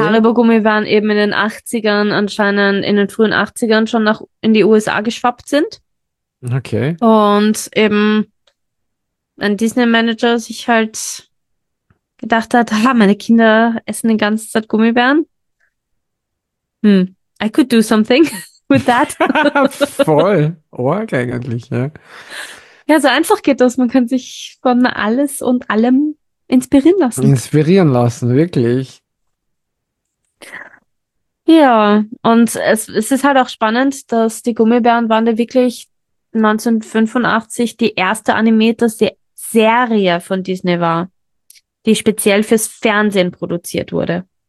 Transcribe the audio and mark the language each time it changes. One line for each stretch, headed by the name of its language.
German: Haribo-Gummibären eben in den 80ern anscheinend, in den frühen 80ern schon nach in die USA geschwappt sind. Okay. Und eben ein Disney-Manager sich halt gedacht hat, meine Kinder essen den ganzen Tag Gummibären.
English: I could do something with that.
German: Voll. Org eigentlich, ja. Ja, so einfach geht das. Man kann sich von alles und allem inspirieren lassen. Inspirieren lassen, wirklich. Ja, und es ist halt auch spannend, dass die Gummibärenbande wirklich 1985 die erste animierte Serie von Disney war, die speziell fürs Fernsehen produziert wurde.